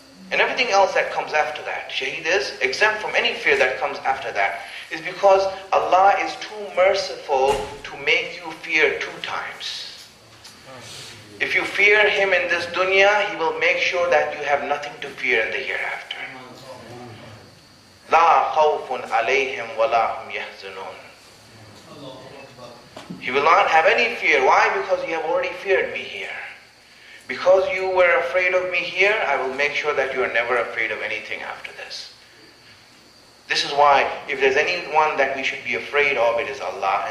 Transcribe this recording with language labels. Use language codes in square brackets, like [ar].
[en] And everything else that comes after that, shaheed is exempt from any fear that comes after that, is because Allah is too merciful to make you fear two times. If you fear Him in this dunya, He will make sure that you have nothing to fear in the hereafter. [ar] لا خوف عليهم ولا هم يحزنون. [en] He will not have any fear. Why? Because you have already feared Me here. Because you were afraid of Me here, I will make sure that you are never afraid of anything after this. This is why if there's anyone that we should be afraid of, it is Allah.